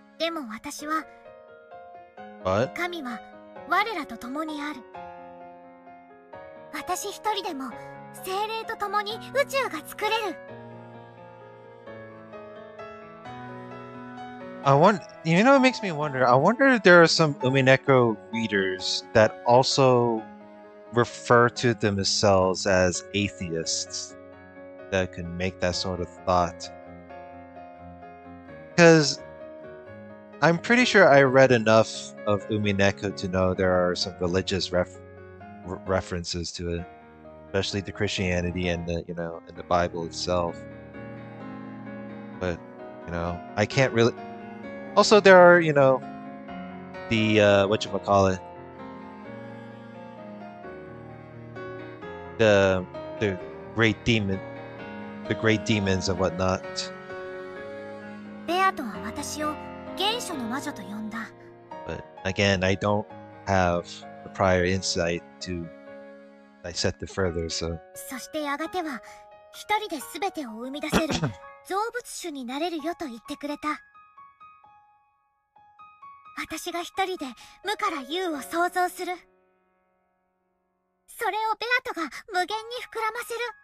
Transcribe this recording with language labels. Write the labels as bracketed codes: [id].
[ja] も私は神は我らと共にある。私一人でも精霊と共に宇宙が作れる。 [en] I want, you know, it makes me wonder. I wonder if there are some Umineko readers that also refer to themselves as atheists that can make that sort of thought. Because I'm pretty sure I read enough of Umineko to know there are some religious references to it, especially the Christianity and the, you know, and the Bible itself. But, you know, I can't really. Also, there are, you know, the, whatchamacallit, the great demon, the great demons and whatnot. [ja] Beato は私を原初の魔女と呼んだ。 [en] But again, I don't have the prior insight to dissect it further, so. [ja] そしてやがては一人で全てを生み出せる造物主になれるよと言ってくれた。私が一人で無から有を創造する。それをベアトが無限に膨らませる。